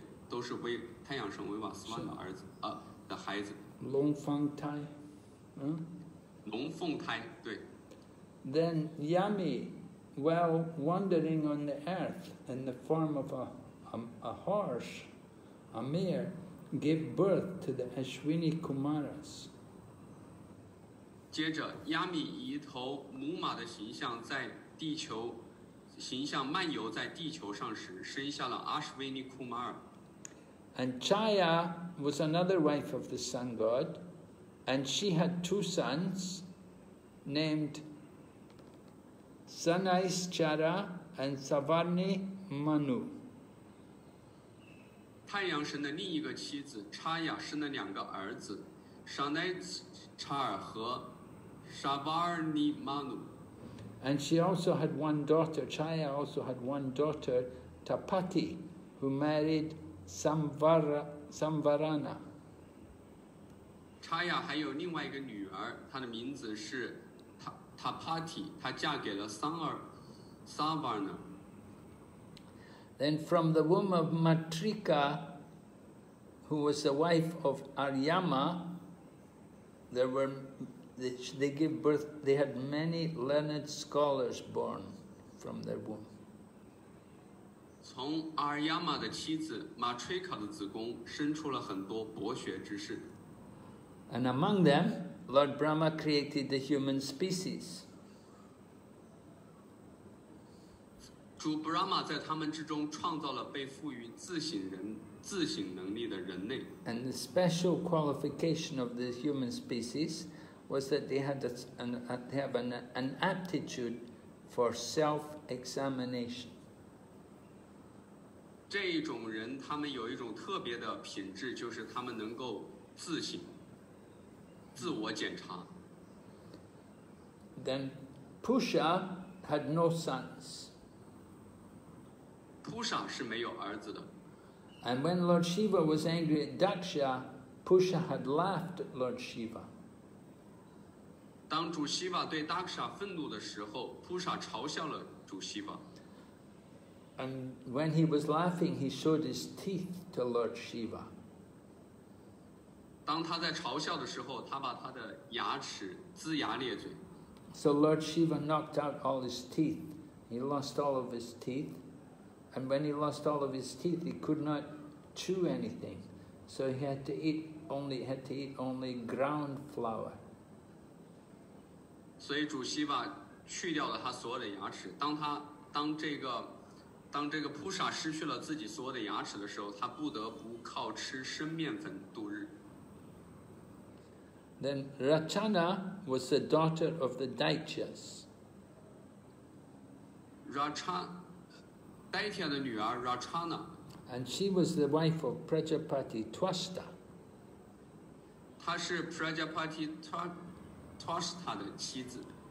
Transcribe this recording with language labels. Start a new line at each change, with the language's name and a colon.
Chinese: 都是为太阳神维瓦斯曼的儿子的孩子。龙凤胎，龙凤胎，对。
English: Then Yami, while wandering on the earth in the form of a horse, a mare, gave birth to the Ashwini Kumaras.
Chinese: 接着 ，Yami 以一头母马的形象在地球，形象漫游在地球上时，生下了 Ashwini Kumar。
English: And Chaya was another wife of the sun god, and she had two sons named Sanaischara and Savarni Manu.
Chinese: 太阳神的另一个妻子查亚生了两个儿子，沙奈查尔和沙巴尔尼马努。
English: And she also had one daughter, Chaya also had one daughter, Tapati, who married Samvarana.
Chinese: Chaya 还有另外一个女儿，她的名字是 Tapati, 她嫁给了 Samvarana.
English: Then from the womb of Matrika, who was the wife of Aryama, there were... They give birth, they had many learned scholars born from their womb.
Chinese: 从阿尔亚玛的妻子马崔卡的子宫生出了很多博学之士。
English: And among them, Lord Brahma created the human species.
Chinese: 主 Brahma 在他们之中创造了被赋予自省人自省能力的人类。
English: And the special qualification of the human species. Was that they had an aptitude for self-examination.
Chinese: 这一种人，他们有一种特别的品质，就是他们能够自省、自我检查。
English: Then, Pusha had no sons.
Chinese: Pusha 是没有儿子的。
English: And when Lord Shiva was angry at Daksha, Pusha had laughed at Lord Shiva.
Chinese: 当主希瓦对达克沙愤怒的时候，普沙嘲笑了主希瓦。
English: And when he was laughing, he showed his teeth to Lord Shiva.
Chinese: 当他在嘲笑的时候，他把他的牙齿龇牙咧嘴。
English: So Lord Shiva knocked out all his teeth. He lost all of his teeth. And when he lost all of his teeth, he could not chew anything. So he had to eat only ground flour.
Chinese: 所以主希瓦去掉了他所有的牙齿。当这个普沙失去了自己所有的牙齿的时候，他不得不靠吃生面粉度日。
English: Then Ratana was the daughter of the Daityas.
Chinese: Daitya 的女儿 Ratana,
English: and she was the wife of Prajapati Twasta.
Chinese: 她是 Prajapati Twasta 的妻子。